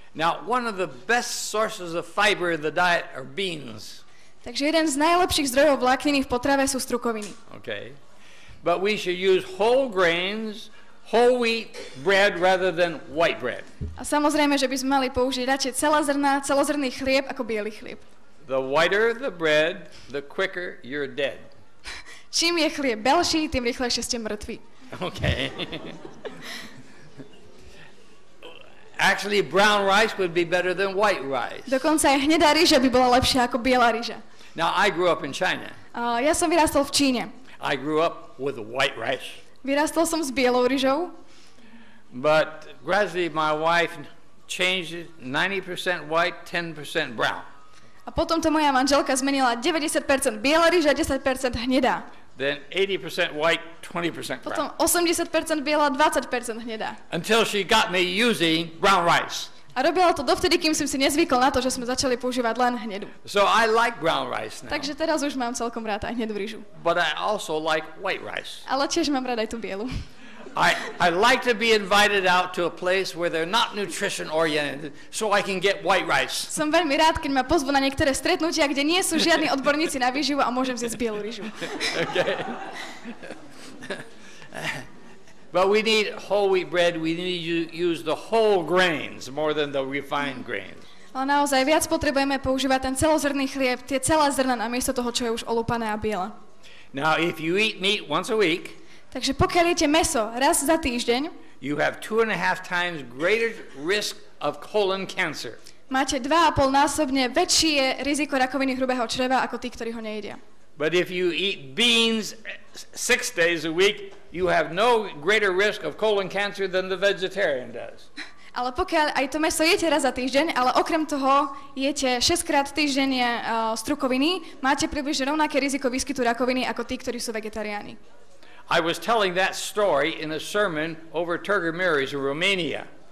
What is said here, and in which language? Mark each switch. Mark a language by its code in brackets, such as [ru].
[en] Now, one of the best sources of fiber in the diet are beans. [sk] Takže jeden z najlepších zdrojov vlákniny v potrave sú strukoviny. [en] Okay. But we should use whole grains, whole wheat bread rather than white bread. [sk] A samozrejme, že by sme mali použiť radšej celozrnný chlieb ako biely chlieb. [en] The whiter the bread, the quicker you're dead. [sk] Čím je chlieb belší, tým rýchlejšie ste mŕtvi. [en] Okay. Actually, brown rice would be better than white rice. [sk] Dokonca aj hnedá ryža by bola lepšia ako biela ryža. [en] Now, I grew up in China. [sk] Ja som vyrástol v Číne. [en] I grew up with white rice. [sk] Vyrástol som s bielou ryžou. [en] But gradually my wife changed 90% white, 10% brown. [sk] A potom to moja manželka zmenila 90% biela ryža, 10% hnedá. [en] Then 80% white, 20% brown. [sk] Potom 80% biela, 20% hnedá. [en] Until she got me using brown rice. [sk] A robila to dovtedy, kým som si nezvykol na to, že sme začali používať len hnedu. [en] So I like brown rice now. [sk] Takže teraz už mám celkom rád aj hnedú ryžu. [en] But I also like white rice. [sk] Ale tiež mám rád aj tú bielu. [en] I like to be invited out to a place where they're not nutrition oriented so I can get white rice. [sk] Som veľmi rád, keď ma pozvú na niektoré stretnutia, kde nie sú žiadni odborníci na výživu a môžem zjesť bielu rýžu. [en] But we need whole wheat bread, we need to use the whole grains more than the refined grains. [sk] Ale naozaj viac potrebujeme používať ten celozrnný chlieb, tie celá zrná namiesto toho, čo je už olúpané a biele. [en] Now if you eat meat once a week, [sk] takže pokiaľ jete mäso raz za týždeň, [en] you have 2.5 times greater risk of colon cancer. [sk] Máte 2,5 násobne väčšie riziko rakoviny hrubého čreva ako tí, ktorí ho nejedia. [en] But if you eat beans 6 days a week, you have no greater risk of colon cancer than the vegetarian does. [sk] Ale pokiaľ aj to mäso jete raz za týždeň, ale okrem toho jete 6-krát týždenne strukoviny, máte približne rovnaké riziko výskytu rakoviny ako tí, ktorí sú vegetariáni. [en] I was telling that story in a sermon over Târgu Mureș in Romania.